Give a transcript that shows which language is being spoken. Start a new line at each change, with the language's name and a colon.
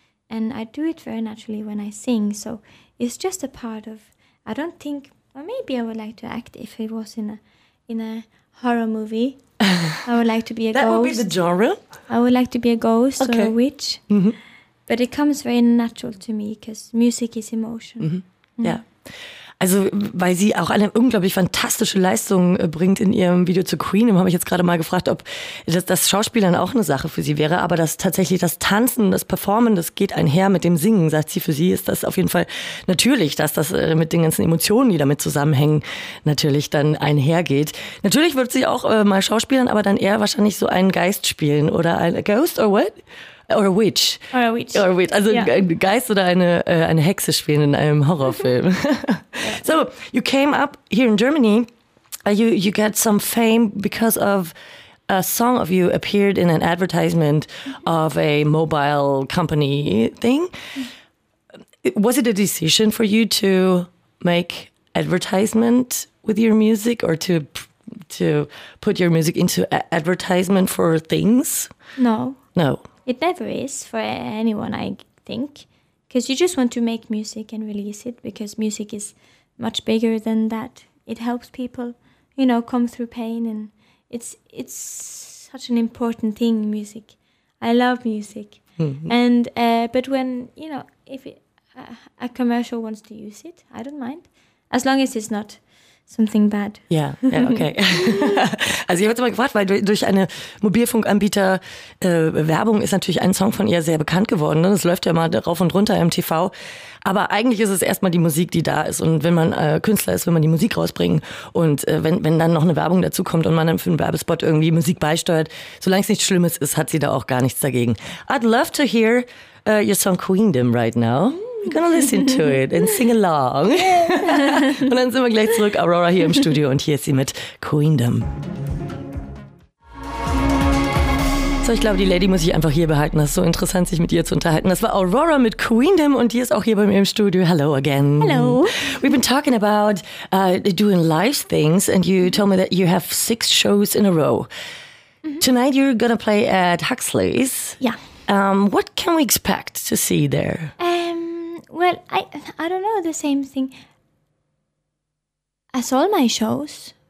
English: And I do it very naturally when I sing. So it's just a part of, I don't think, or maybe I would like to act if it was in a horror movie. I would like to be a that ghost. That would be the genre? I would like to be a ghost okay. or a witch. Mm-hmm. But it comes very natural to me because music is emotion. Mm-hmm. Yeah.
German: Also, weil sie auch eine unglaublich fantastische Leistung bringt in ihrem Video zu Queen, habe ich jetzt gerade mal gefragt, ob das Schauspiel dann auch eine Sache für sie wäre. Aber das tatsächlich das Tanzen, das Performen, das geht einher mit dem Singen, sagt sie. Für sie ist das auf jeden Fall natürlich, dass das mit den ganzen Emotionen, die damit zusammenhängen, natürlich dann einhergeht. Natürlich wird sie auch mal schauspielern, aber dann eher wahrscheinlich so einen Geist spielen oder ein Ghost
English: or what? Or a witch. Or a witch. Or a witch.
German: Also ein Geist oder eine Hexe spielen in einem Horrorfilm.
English: So, you came up here in Germany. You got some fame because of a song of you appeared in an advertisement of a mobile company thing. Was it a decision for you to make advertisement with your music or to put your music into advertisement for things? No. No. It never is for anyone, I think, because you just want to make music and release it because music is much bigger than that. It helps people, you know, come through pain and it's such an important thing, music. I love music. Mm-hmm. And but when, you know, if a commercial wants to use it, I don't mind, as long as it's not something bad. Yeah, yeah, okay.
German: Also ich habe jetzt mal gefragt, weil durch eine Mobilfunkanbieter Werbung ist natürlich ein Song von ihr sehr bekannt geworden. Ne? Das läuft ja immer rauf und runter im TV. Aber eigentlich ist es erstmal die Musik, die da ist. Und wenn man Künstler ist, will man die Musik rausbringen. Und wenn dann noch eine Werbung dazu kommt und man dann für einen Werbespot irgendwie Musik beisteuert, solange es nichts Schlimmes ist, hat sie da auch gar nichts dagegen.
English: I'd love to hear your song Queendom right now. We're gonna listen to it and sing along.
German: Und dann sind wir gleich zurück, Aurora hier im Studio und hier ist sie mit Queendom. So, ich glaube, die Lady muss ich einfach hier behalten. Das ist so interessant, sich mit ihr zu unterhalten. Das war Aurora mit Queendom und die ist auch hier bei mir im Studio.
English: Hello again. Hello. We've been talking about doing live things and you told me that you have 6 shows in a row. Mm-hmm. Tonight you're gonna play at Huxley's. Yeah. What can we expect to see there? Well, I don't know, the same thing as all my shows.